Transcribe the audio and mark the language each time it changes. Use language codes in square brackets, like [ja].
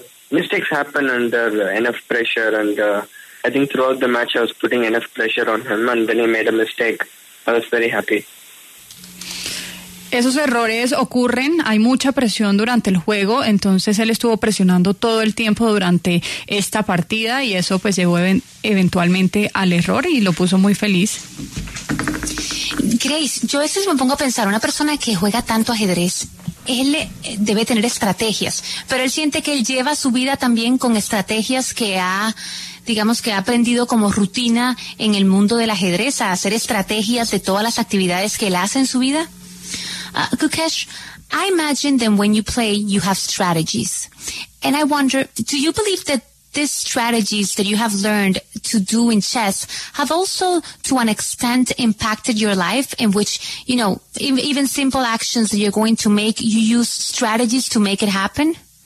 [en] Mistakes happen under enough pressure, and I think throughout the match I was putting enough pressure on him, and when he made a mistake, I was very happy. [es] Esos errores ocurren, hay mucha presión durante el juego, entonces él estuvo presionando todo el tiempo durante esta partida y eso pues llevó eventualmente al error y lo puso muy feliz. Grace, yo a veces me pongo a pensar, una persona que juega tanto ajedrez, él debe tener estrategias, pero él siente que él lleva su vida también con estrategias que ha, digamos que ha aprendido como rutina en el mundo del ajedrez, a hacer estrategias de todas las actividades que él hace en su vida. [en] Gukesh, I imagine that when you play, you have strategies. And I wonder, do you believe that these strategies that you have learned to do in chess have also, to an extent, impacted your life in which, you know, even simple actions that you're going to make, you use strategies to make it happen?